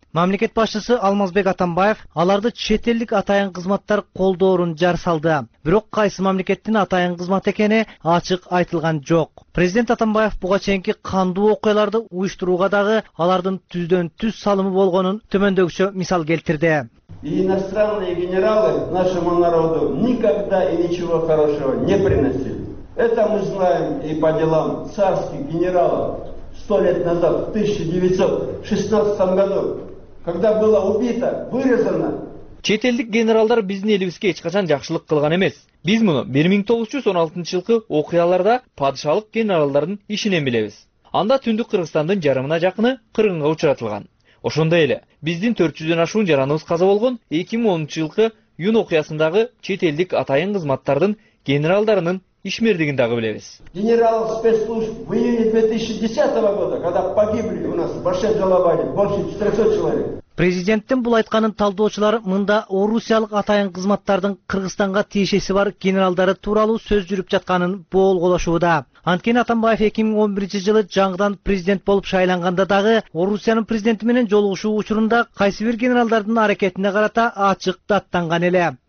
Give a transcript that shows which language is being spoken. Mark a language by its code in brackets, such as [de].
[ky] Мамлекет башчысы Алмазбек Атамбаев аларды чет элдик атайын кызматтар колдоорун жар салды. Бирок кайсы мамлекеттин атайын кызмат экени ачык айтылган жок. Президент Атамбаев буга чейинки кандуу окуяларды уюштурууга дагы алардын түздөн түз салымы болгонун төмөндөгүчө мисал келтирди. [ru] Иностранные генералы нашему народу никогда и ничего хорошего не приносили. Это мы знаем и по делам царских генералов 100 лет назад, в 1916 году. Когда было убито, вырезано. [ky] Чет элдик генералдар биздин элибизге эч качан жакшылык кылган эмес. Биз муну 1916-жылкы окуяларда падышалык генералдардын ишинен билебиз. Анда түндүк Кыргызстандын жарымына жакыны кыргынга учуратылган. Ошондой эле биздин 400'дөн ашуун жараныбыз каза болгон 2010-жылкы июнь окуясындагы чет элдик атайын кызматтардын генералдарынын ишмердигин дагы билебиз. [ru] Генерал спецслужб в июне 2010 года, когда погибли у нас в большом Жалабаде больше 400 человек. [ky] Президенттин бул айтканын талдоочулар мында орусиялык атайын кызматтардын Кыргызстанга тиешеси бар генералдары тууралуу сөз жүрүп жатканын болголошууда. Анткени Атамбаев 2011 жылы жаңыдан президент болуп шайланганда дагы Орусиянын президенти менен жолугушуу учурунда кайсы бир генералдардын аракетине карата ачык даттанган эле.